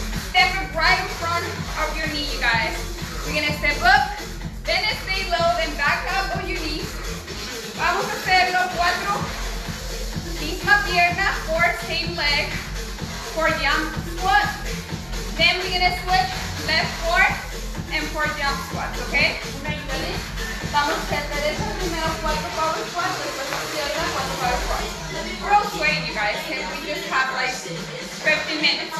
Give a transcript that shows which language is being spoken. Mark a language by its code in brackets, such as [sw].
[en] Step right in front of your knee, you guys. We're gonna step up, then stay low, then back up on your knees. [es] Vamos a hacerlo cuatro. Misma pierna, [en] four, same leg. Four jump squat. Then we're gonna switch left four and four jump squats, okay? [es] Una y una. Vamos a hacer eso primero, cuatro power squats, después izquierda, cuatro power squats. [en] We're all sweating, you guys, okay? We just have like 15 minutes.